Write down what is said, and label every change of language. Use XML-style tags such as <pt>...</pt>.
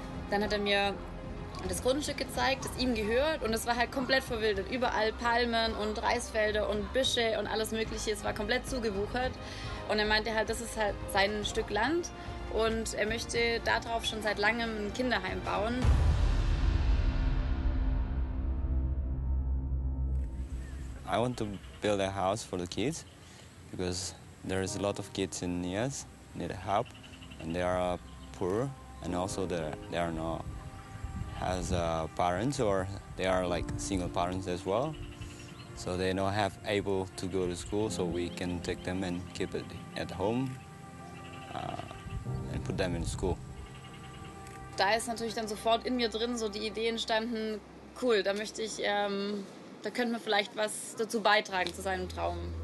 <de>Dann hat er mir das Grundstück gezeigt, das ihm gehört, und es war halt komplett verwildert. Überall Palmen und Reisfelder und Büsche und alles Mögliche, es war komplett zugewuchert. Und er meinte halt, das ist halt sein Stück Land. Und er möchte darauf schon seit langem ein Kinderheim bauen.</de> <en>I want to build a house for the kids because there is a lot of kids in Nias need help and they are poor and also they are not has parents or they are like single parents as well. So they don't have able to go to school, so we can take them and keep it at home. And put them in school.</en> <de>Da ist natürlich dann sofort in mir drin so die Idee entstanden, cool, da möchte ich, da könnte man vielleicht was dazu beitragen zu seinem Traum.</de>